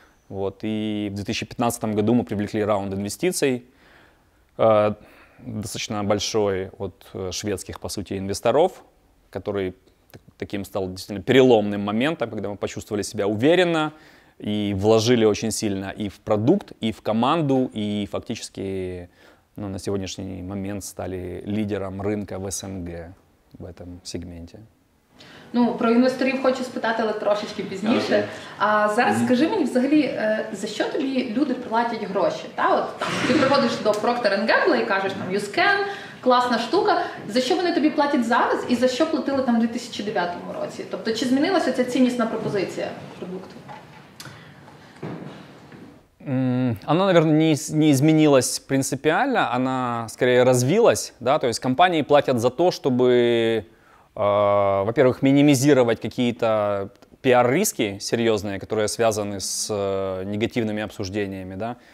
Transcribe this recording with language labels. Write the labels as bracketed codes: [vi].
[ru] Вот, и в 2015 году мы привлекли раунд инвестиций, достаточно большой, от шведских, по сути, инвесторов, который таким стал действительно переломным моментом, когда мы почувствовали себя уверенно и вложили очень сильно и в продукт, и в команду, и фактически, ну, на сегодняшний момент стали лидером рынка в СНГ в этом сегменте. [uk] Ну, про інвесторів хочу спитати, але трошечки пізніше. А зараз скажи мені взагалі, за що тобі люди платять гроші? Та, от, там, ти приходиш до Procter & Gamble і кажеш, там, YouScan, класна штука. За що вони тобі платять зараз і за що платили там в 2009 році? Тобто, чи змінилася ця ціннісна пропозиція продукту? [ru] Она, наверное, не изменилась принципиально, она скорее развилась, да, то есть компании платят за то, чтобы, во-первых, минимизировать какие-то пиар-риски серьезные, которые связаны с негативными обсуждениями, да.